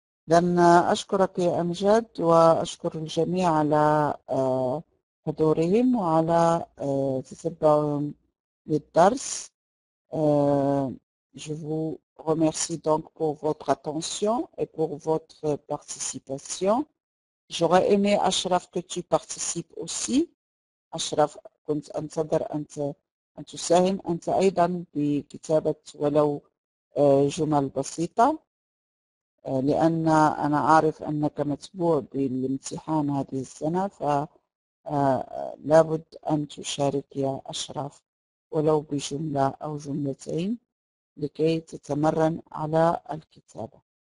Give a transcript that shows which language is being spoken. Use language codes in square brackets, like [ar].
[ar] إذن أشكرك يا أمجد وأشكر الجميع على حضورهم وعلى تتبعهم للدرس. [fr] Je vous remercie donc pour votre attention et pour votre participation. J'aurais aimé Ashraf que tu participes aussi. [ar] Ashraf, كنت أنتظر أن تساهم أنت أيضا بكتابة ولو جمل بسيطة. لأن أنا أعرف أنك متبوع بالامتحان هذه السنة، فلابد أن تشارك يا أشرف ولو بجملة أو جملتين لكي تتمرن على الكتابة.